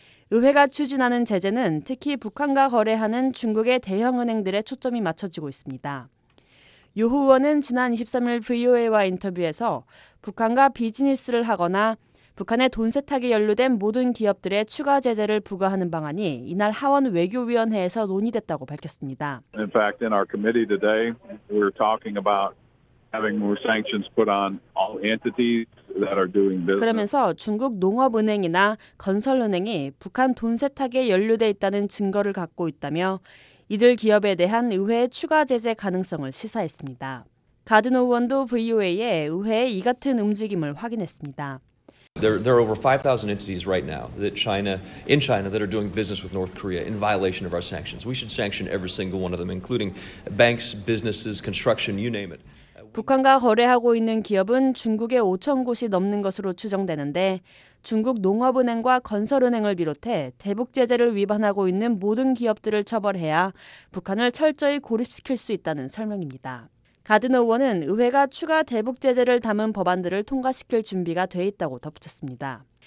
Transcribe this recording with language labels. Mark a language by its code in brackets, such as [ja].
[ko] 의회가 추진하는 제재는 특히 북한과 거래하는 중국의 대형 은행들에 초점이 맞춰지고 있습니다. 유호 의원은 지난 23일 VOA와 인터뷰에서 북한과 비즈니스를 하거나 북한의 돈 세탁에 연루된 모든 기업들의 추가 제재를 부과하는 방안이 이날 하원 외교위원회에서 논의됐다고 밝혔습니다. [en] In fact, in our committee today, we're talking about having more sanctions put on all entities that are doing business. [ko] 그러면서 중국 농업은행이나 건설은행이 북한 돈 세탁에 연루돼 있다는 증거를 갖고 있다며 이들 기업에 대한 의회의 추가 제재 가능성을 시사했습니다. 가드노 의원도 VOA에 의회의 이 같은 움직임을 확인했습니다. [en] There are over 5,000 entities right now that China in China that are doing business with North Korea in violation of our sanctions. We should sanction every single one of them, including banks, businesses, construction, you name it. [ko] 북한과 거래하고 있는 기업은 중국에 5천 곳이 넘는 것으로 추정되는데 중국 농업은행과 건설은행을 비롯해 대북 제재를 위반하고 있는 모든 기업들을 처벌해야 북한을 철저히 고립시킬 수 있다는 설명입니다. 가드너 의원은 의회가 추가 대북 제재를 담은 법안들을 통과시킬 준비가 돼 있다고 덧붙였습니다.